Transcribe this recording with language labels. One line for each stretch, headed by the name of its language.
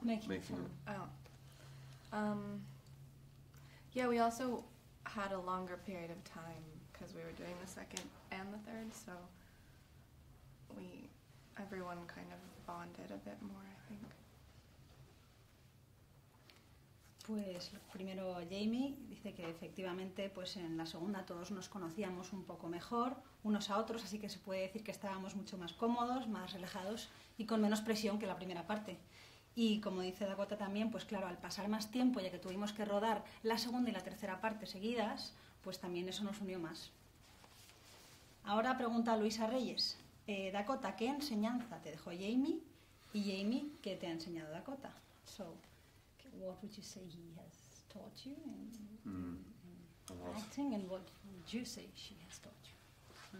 English: Making the film. Oh. Yeah, we also had a longer period of time because we were doing the second and the third, so everyone kind of bonded a bit more, I think.
Spanish: Pues primero Jamie dice que efectivamente pues en la segunda todos nos conocíamos un poco mejor unos a otros, así que se puede decir que estábamos mucho más cómodos, más relajados y con menos presión que la primera parte. Y como dice Dakota también, pues claro, al pasar más tiempo, ya que tuvimos que rodar la segunda y la tercera parte seguidas, pues también eso nos unió más. Ahora pregunta Luisa Reyes. Dakota, ¿qué enseñanza te dejó Jamie? Y Jamie, ¿qué te ha enseñado Dakota?
English: So, what would you say he has taught you? Mm. acting and what would you say she has taught you?